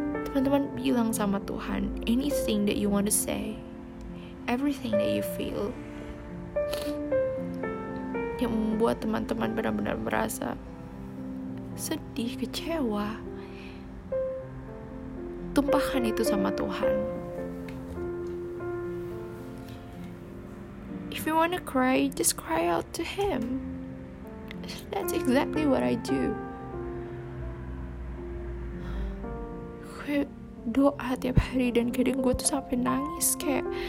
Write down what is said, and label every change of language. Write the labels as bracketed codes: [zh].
[id] Teman-teman bilang sama Tuhan, [en] anything that you want to say. Everything that you feel [id] yang membuat teman-teman benar-benar merasa sedih, kecewa, tumpahkan itu sama Tuhan. [en] If you wanna cry, just cry out to him. That's exactly what I do. [id] Gue doa tiap hari dan kadang gue tuh sampai nangis kayak.